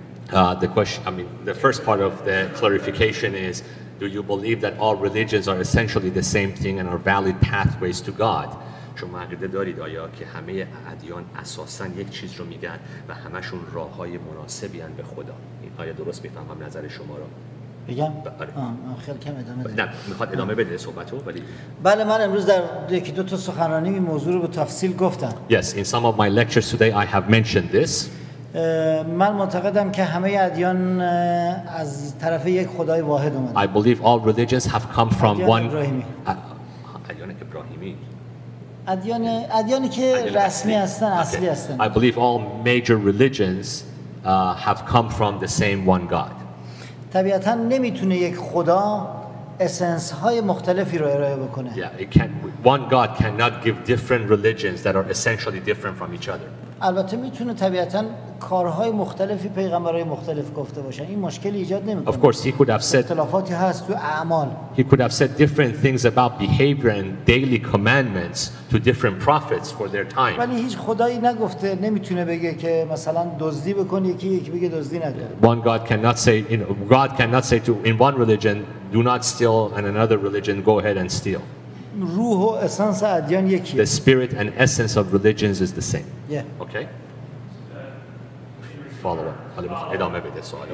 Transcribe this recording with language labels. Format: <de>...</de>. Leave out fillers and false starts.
<en>The first part of the clarification is, do you believe that all religions are essentially the same thing and are valid pathways to God?</en> <fa>شما عقیده دارید آیا که همه ادیان اساساً یک چیز رو میگن و همشون راه‌های مناسبی هستن به خدا؟ این آیا درست میفهمم نظر شما رو؟ بگم؟ آره. خیلی کم ادامه بده. نه، میخواد ادامه بده صحبتو، ولی بله، من امروز در یکی دو تا سخنرانی این موضوع رو به تفصیل گفتم.</fa> <en>Yes, in some of my lectures today I have mentioned this.</en> <fa>من معتقدم که همه ادیان از طرف یک خدای واحد اومدن.</fa> <en>I believe all religions have come from one</en> <fa>ادیان ابراهیمی. ادیانی که رسمی هستن، اصلی هستن.</fa> <en>I believe all major religions have come from the same one God.</en> <fa>طبیعتاً نمیتونه یک خدا اسنس های مختلفی رو ارائه بکنه.</fa> <en>Yeah, it can, one God cannot give different religions that are essentially different from each other.</en> <fa>البته میتونه طبیعتاً کارهای مختلفی پیغمبرای مختلف گفته باشن. این مشکلی ایجاد نمیکنه.</fa> <en>Of course he could have said</en> <fa>اختلافاتی هست تو اعمال.</fa> <en>He could have said different things about behavior and daily commandments to different prophets for their time.</en> <fa>ولی هیچ خدایی نگفته نمیتونه بگه که مثلا دزدی بکن، یکی بگه دزدی نکن.</fa> <en>One God cannot say, you know, God cannot say to in one religion do not steal and another religion go ahead and steal.</en> <fa>روح و اسنس ادیان یکیه.</fa> <en>The spirit and essence of religions is the same. Yeah. Okay. Follow up. I'll leave it on maybe this one.</en>